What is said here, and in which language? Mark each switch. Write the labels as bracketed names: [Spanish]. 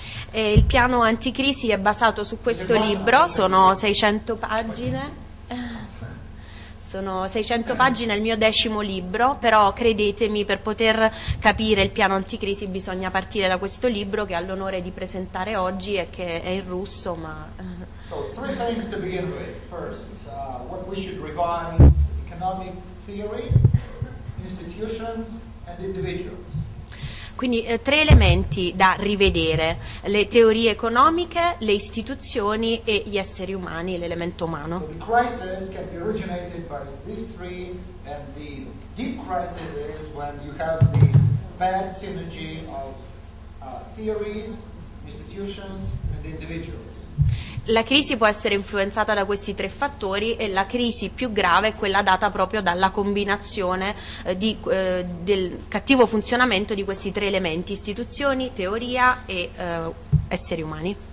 [Italian] E il piano anticrisi è basato su questo libro, sono 600 pagine. Sono 600 pagine, il mio 10° libro, però credetemi, per poter capire il piano anticrisi bisogna partire da questo libro che ho l'onore di presentare oggi e che è in russo, ma [English] three things to begin with. First, what we should revise: economic theory, institutions and individuals. [Italian] Quindi tre elementi da rivedere: le teorie economiche, le istituzioni e gli esseri umani, l'elemento umano. [English] So the crisis can be originated by these three, and the deep crisis is when you have the bad synergy of theories, institutions and individuals. [Italian] La crisi può essere influenzata da questi tre fattori e la crisi più grave è quella data proprio dalla combinazione del cattivo funzionamento di questi tre elementi: istituzioni, teoria e esseri umani.